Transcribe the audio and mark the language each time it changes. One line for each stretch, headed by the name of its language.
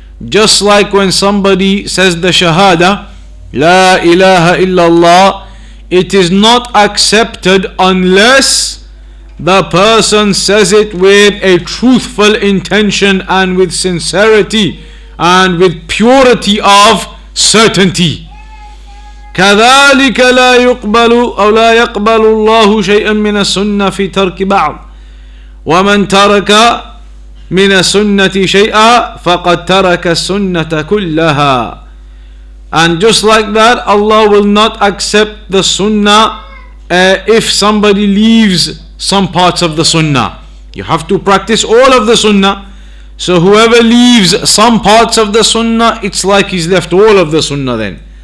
English: Just like when somebody says the shahada,
Arabic: لا إله إلا الله,
English: it is not accepted unless the person says it with a truthful intention and with sincerity and with purity of certainty.
Arabic: كذلك لا يقبل أو لا يقبل الله شيئا من السنة في ترك بعض ومن ترك من السنة شيئا فقد ترك السنة كلها.
English: And just like that, Allah will not accept the sunnah if somebody leaves some parts of the sunnah. You have to practice all of the sunnah. So whoever leaves some parts of the sunnah, it's like he's left all of the sunnah then.